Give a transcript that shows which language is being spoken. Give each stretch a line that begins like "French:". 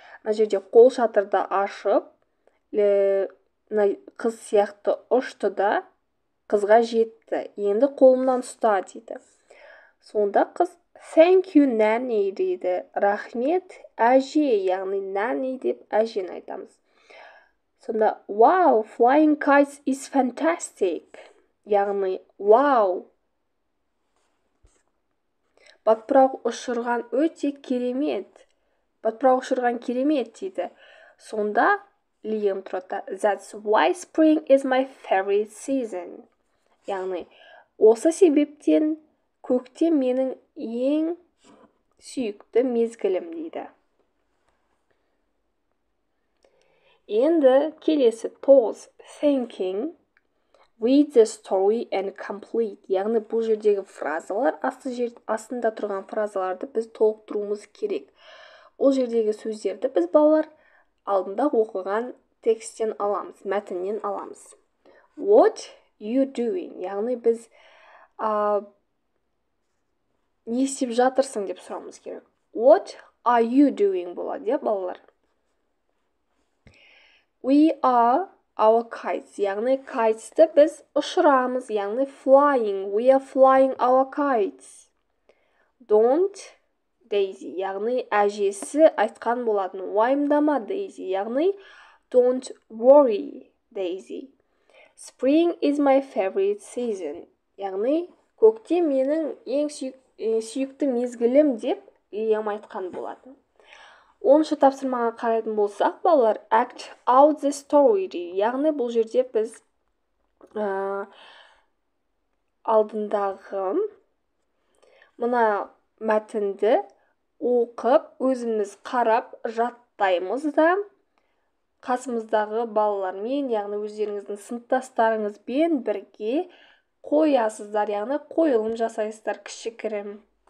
Kazakh: Мына жерде қол шатырды ашып, қыз сияқты ұшты да, қызға жетті. Енді қолымнан ұста дейді. Сонда қыз,
English: thank you, nanny
Kazakh: дейді. Рахмет, әже, яғни nanny деп әжен айтамыз.
English: Сонда, wow, flying kites is fantastic.
Kazakh: Яғни, wow. Батпырауық ұшырған өте керемет. Батпырауық ұшырған керемет, дейді. Сонда, Лиам тұрады.
English: That's why spring is my favorite season.
Kazakh: Яғни, осы себептен көктем менің ең сүйікті мезгілім, дейді. Енді келесі
English: pause, thinking, read the story and complete.
Kazakh: Яғни бұл жердегі фразалар, астында тұрған фразаларды біз толықтыруымыз керек. Ол жердегі сөздерді біз балалар алдында оқыған тексттен аламыз, мәтіннен аламыз.
English: What you doing?
Kazakh: Яғни біз не істеп жатырсың деп сұрамыз керек.
English: What are you doing
Kazakh: болады, я, балалар?
English: We are our kites.
Kazakh: Яғни, kites-ті біз ұшырамыз. Яғни, flying.
English: We are flying our kites. Don't, Daisy.
Kazakh: Яғни, әжесі айтқан болатын. Уайымдама, Daisy.
English: Яғни, don't worry, Daisy. Spring is my favorite season.
Kazakh: Яғни, көктем менің ең сүйікті мезгілім деп Лиам айтқан болатын. Оныншы тапсырмаға қарайтын болсақ, балалар,
English: act out the story.
Kazakh: Яғни, бұл жерде біз алдындағы мына мәтінді оқып, өзіміз қарап жаттаймыз да, қасымыздағы балалармен, яғни, өздеріңіздің сыныптастарыңызбен бірге қоясыздар, яғни, қойылым жасайсыздар, кішікірім.